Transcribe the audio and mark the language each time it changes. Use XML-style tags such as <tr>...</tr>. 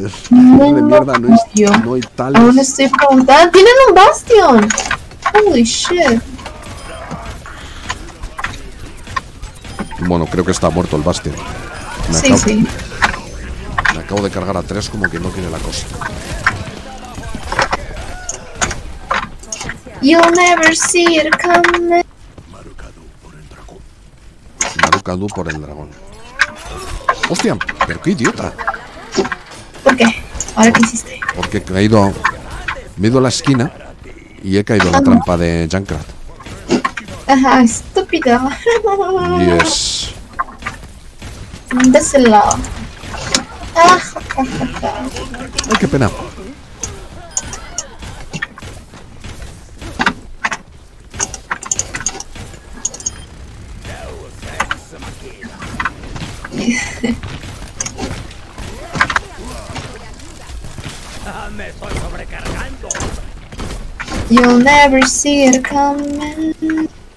<es>Mundo mierda, no pollo. No hay tales. Aún estoy preguntando. ¡Tienen un Bastion!</es> <en>Holy shit.</en> <es>Bueno, creo que está muerto el Bastion. Sí. Me acabo de cargar a tres como que no quiere la cosa.</es> <en>You'll never see it coming.</en> <es>Marukadu por el dragón. ¡Hostia! ¿Pero qué idiota? ¿Por qué? ¿Ahora qué hiciste? Porque he caído. Me he ido a la esquina y he caído en la trampa de Junkrat. Ajá, estúpido.</es> <en>Yes.</en> <es>Déselo. Ay, qué pena. Me estoy sobrecargando.</es> <en>You'll never see it coming.</en>